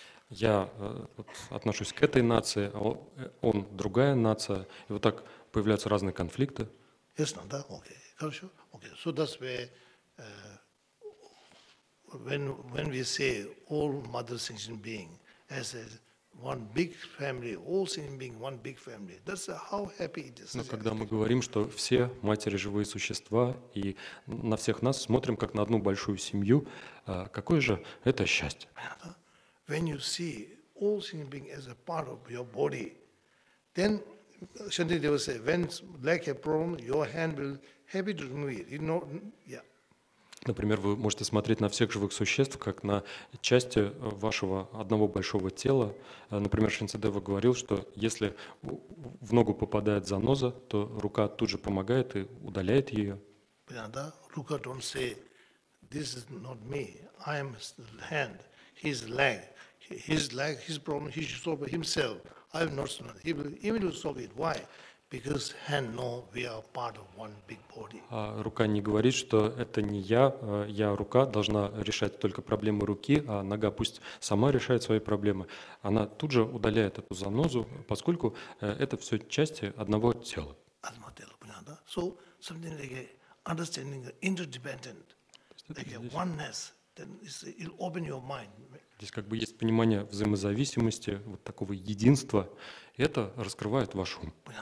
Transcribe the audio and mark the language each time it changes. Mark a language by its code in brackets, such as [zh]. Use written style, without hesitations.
[ru] Я отношусь к этой нации, а он другая нация, и вот так появляются разные конфликты. Ясно, да? Окей, хорошо. [en] Окей, so that's where, when we say all mother sentient being as a one big family, all seeing being one big family. That's how happy it is. [ru] Но когда мы говорим, что все матери живые существа и на всех нас смотрим как на одну большую семью, какое же это счастье? [en] When you see all sentient beings as a part of your body, then Shantideva said, when leg has a problem, your hand will help you to remove it. You know, yeah. [ru] Например, вы можете смотреть на всех живых существ, как на части вашего одного большого тела. Например, Шинцедева говорил, что если в ногу попадает заноза, то рука тут же помогает и удаляет ее. Да, рука [en] don't say, this is not me, I am hand, his leg. His leg, his problem, he should solve it himself. I am not solving it. He will immediately solve it. Why? Because hand know we are part of one big body. [ru] Рука не говорит, что это не я, я рука должна решать только проблемы руки, а нога пусть сама решает свои проблемы. Она тут же удаляет эту занозу, поскольку это все части одного тела. Одного тела, понятно? [en] So something like understanding interdependent, like oneness, then it'll open your mind. [ru] Здесь как бы есть понимание взаимозависимости, вот такого единства. Это раскрывает ваш ум.